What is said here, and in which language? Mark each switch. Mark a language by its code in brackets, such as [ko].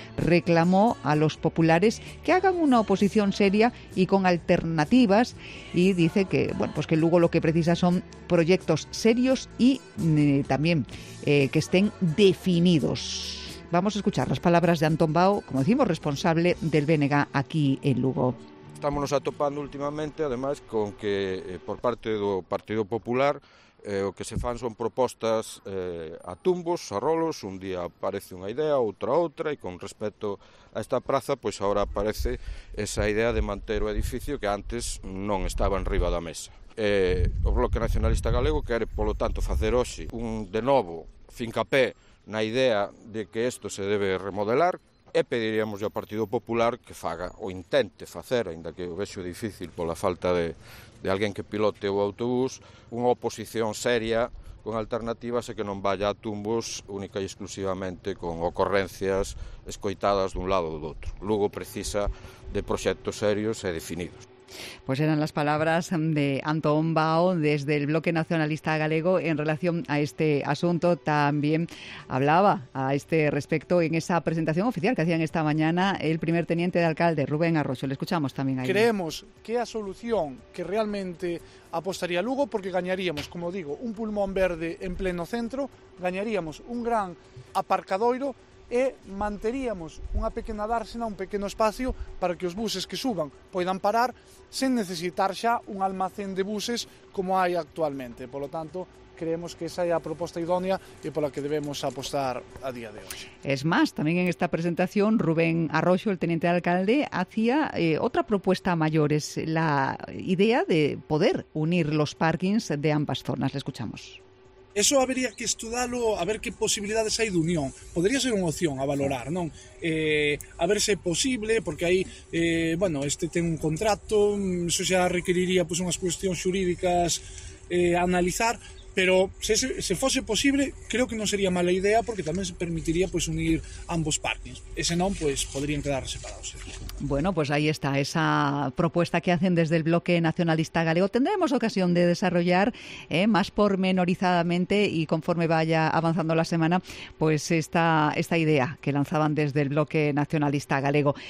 [es] Reclamó a los populares que hagan una oposición seria y con alternativas, y dice que, bueno, pues que Lugo lo que precisa son proyectos serios y también que estén definidos. Vamos a escuchar las palabras de Antón Bao, como decimos, responsable del BNG aquí en Lugo. [gl] Estámonos atopando últimamente, además, con que por parte do Partido Popular o que se fan son propostas a tumbos, a rolos. Un día aparece unha idea, outra, e con respecto a esta praza, pois agora aparece esa idea de manter o edificio que antes non estaba en riba da mesa. O Bloque Nacionalista Galego quere, polo tanto, facer hoxe un de novo fincapé na idea de que isto se debe remodelar, e pediríamos ao Partido Popular que faga o intente facer, aínda que o vexo difícil pola falta de alguén que pilote o autobús, unha oposición seria con alternativas e que non vaya a tumbos única e exclusivamente con ocorrencias escoitadas dun lado ou do outro. Lugo precisa de proxectos serios e definidos. [es] Pues eran las palabras de Antón Bao desde el Bloque Nacionalista Galego en relación a este asunto. También hablaba a este respecto en esa presentación oficial que hacían esta mañana el primer teniente de alcalde, Rubén Arroyo. Le escuchamos también ahí. [gl] Creemos que a solución que realmente apostaría Lugo, porque ganaríamos, como digo, un pulmón verde en pleno centro, ganaríamos un gran aparcadoiro e manteríamos unha pequena dársena, un pequeno espacio para que os buses que suban poidan parar sen necesitar xa un almacén de buses como hai actualmente. Polo tanto, creemos que esa é a proposta idónea e pola que debemos apostar a día de hoxe. [es] Es más, tamén en esta presentación, Rubén Arroyo, el teniente de alcalde, hacía outra proposta a maiores, la idea de poder unir los parkings de ambas zonas. Le escuchamos. [gl] Eso habería que estudalo, a ver que posibilidades hai de unión. Podería ser unha opción a valorar, non? A ver se é posible, porque aí, bueno, este ten un contrato, eso xa requeriría pues, unhas cuestións xurídicas a analizar, pero se fose posible, creo que non sería mala idea, porque tamén se permitiría pues, unir ambos parkings. E senón, pues, poderían quedar separados. [es] Bueno, pues ahí está esa propuesta que hacen desde el Bloque Nacionalista Galego. Tendremos ocasión de desarrollar más pormenorizadamente y conforme vaya avanzando la semana, pues esta idea que lanzaban desde el Bloque Nacionalista Galego.